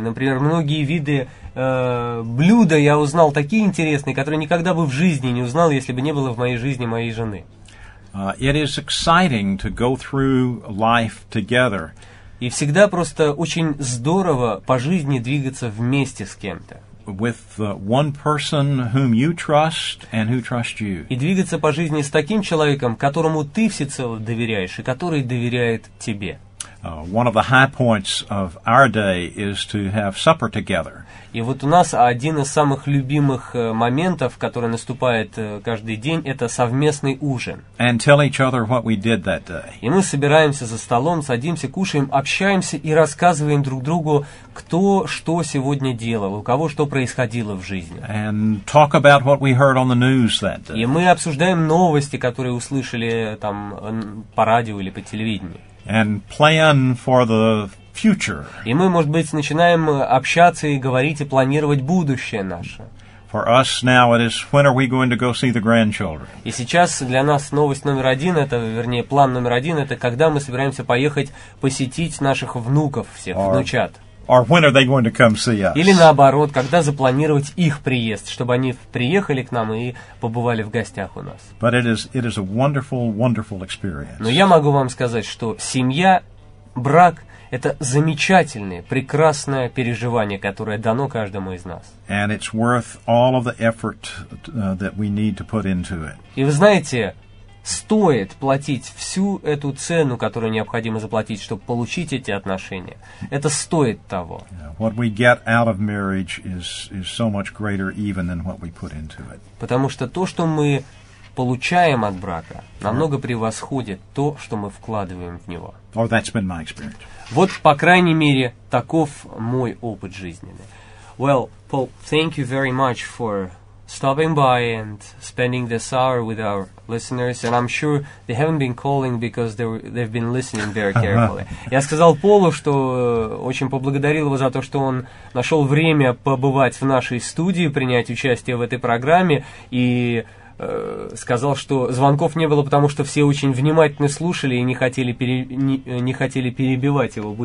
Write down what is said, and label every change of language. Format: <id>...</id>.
<ru>Например, многие виды блюда я узнал такие интересные, которые никогда бы в жизни не узнал, если бы не было в моей жизни моей жены.</ru> <en>It is exciting to go through life together.</en> <ru>И всегда просто очень здорово по жизни двигаться вместе с кем-то.</ru> <en>With one person whom you trust and who trusts you.</en> <ru>И двигаться по жизни с таким человеком, которому ты всецело доверяешь и который доверяет тебе.</ru> <en>One of the high points of our day is to have supper together.</en> <ru>И вот у нас один из самых любимых моментов, который наступает каждый день, это совместный ужин.</ru> <en>And tell each other what we did that day.</en> <ru>И мы собираемся за столом, садимся, кушаем, общаемся и рассказываем друг другу, кто что сегодня делал, у кого что происходило в жизни.</ru> <en>And talk about what we heard on the news that day.</en> <ru>И мы обсуждаем новости, которые услышали там по радио или по телевидению.</ru> <en>And plan for the future.</en> <ru>И мы, может быть, начинаем общаться и говорить и планировать будущее наше.</ru> <en>For us now it is when are we going to go see the grandchildren?</en> <ru>И сейчас для нас новость номер один, это, вернее, план номер один, это когда мы собираемся поехать посетить наших внуков всех, внучат.</ru> <en>Or when are they going to come see us?</en> <ru>Или наоборот, когда запланировать их приезд, чтобы они приехали к нам и побывали в гостях у нас.</ru> <en>But it is a wonderful, wonderful experience.</en> <ru>Но я могу вам сказать, что семья, брак – это замечательное, прекрасное переживание, которое дано каждому из нас.</ru> <en>And it's worth all of the effort that we need to put into it.</en> <ru>И вы знаете, стоит платить всю эту цену, которую необходимо заплатить, чтобы получить эти отношения. Это стоит того.</ru> <en>What we get out of marriage is so much greater even than what we put into it.</en> <ru>Потому что то, что мы получаем от брака, намного превосходит то, что мы вкладываем в него.</ru> <en>Or that's been my experience.</en> <ru>Вот, по крайней мере, таков мой опыт жизненный.</ru> <en>Well, Paul, thank you very much for stopping by and spending this hour with our listeners, and I'm sure they haven't been calling because they've been listening very carefully.</en> <ru>Я сказал Полу, что очень поблагодарил его за то, что он нашел время побывать в нашей студии, принять участие в этой программе, и сказал, что звонков не было, потому что все очень внимательно слушали и не хотели перебивать его.</ru>